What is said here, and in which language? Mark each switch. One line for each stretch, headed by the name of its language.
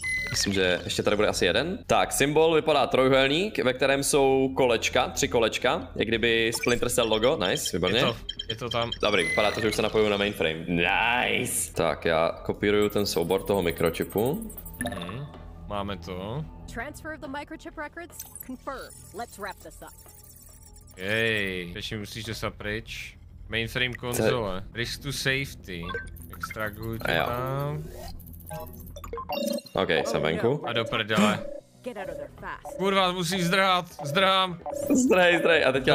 Czech: Myslím, že ještě tady bude asi jeden. Tak, symbol vypadá trojúhelník, ve kterém jsou kolečka, tři kolečka. Jak kdyby Splinter Cell logo, nice, výborně. Je to tam. Dobrý, vypadá to, že už se napojím na mainframe. Nice! Tak, já kopíruju ten soubor toho mikročipu. Máme to.
English: Transfer of the microchip records, confirm. Let's wrap this up.
Czech: Hej, teď musíš dostat pryč. Mainframe konzole.
English: Risk to safety.
Czech: Extraguju tě tam. Okej, okay, jsem venku. A do prdele. Kurva, musím zdrhat, zdrhám. Zdrhej, a teďka.